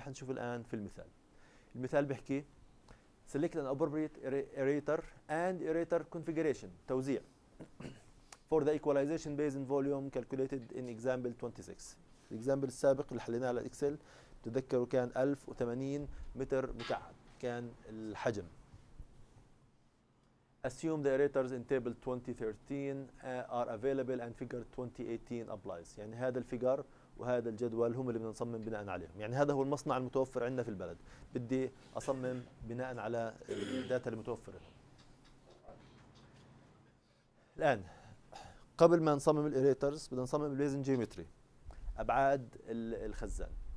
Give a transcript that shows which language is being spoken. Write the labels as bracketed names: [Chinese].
[Arabic] حنشوف الآن في المثال. المثال بحكي [English] select an appropriate aerator and aerator configuration، توزيع for the equalization basin volume calculated in example 26. [Arabic] الإكزامبل السابق اللي حليناه على الإكسل تذكروا كان 1080 متر مكعب كان الحجم. [English] Assume the aerators in table 2013 are available and figure 2018 applies. [Arabic] يعني هذا الفيجر وهذا الجدول هم اللي بدنا نصمم بناء عليهم، يعني هذا هو المصنع المتوفر عندنا في البلد، بدي اصمم بناء على الداتا المتوفره. الان قبل ما نصمم الايريترز بدنا نصمم البيزن جيومتري، ابعاد الخزان.